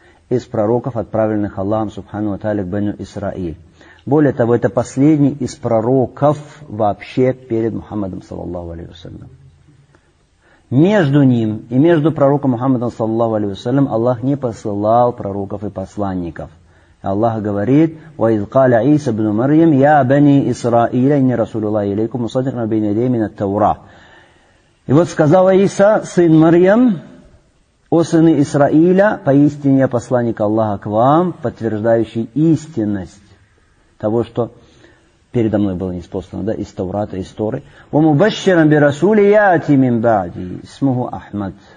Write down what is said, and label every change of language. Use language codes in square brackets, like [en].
[ru] Из пророков, отправленных Аллахом, субхану ва тааля, к Бену Исраиль. Более того, это последний из пророков вообще перед Мухаммадом, саллаллаху алейхи ва саллям. Между ним и между пророком Мухаммадом, саллаллаху алейхи ва саллям, Аллах не посылал пророков и посланников. Аллах говорит, [ar] وَإِذْ قَالَ عِيسَ بْنُ مَرْيَمْ يَا بَنِي إِسْرَائِيلَ إِنِّي رَسُولُ اللَّهِ إِلَيْكُمْ مُصَدِّقًا بَيْنَ يَدَيَّ مِنَ التَّوْرَاةِ. [ru] И вот сказал Иса, сын Марьям, о сыны Исраиля, поистине я посланник Аллаха к вам, подтверждающий истинность того, что передо мной было ниспослано, да, из Таврата, из Торы. [ar] وَمُبَشِّرًا بِرَسُولِ يَأْتِي مِنْ بَعْدِي اسْمُهُ أَحْمَدُ.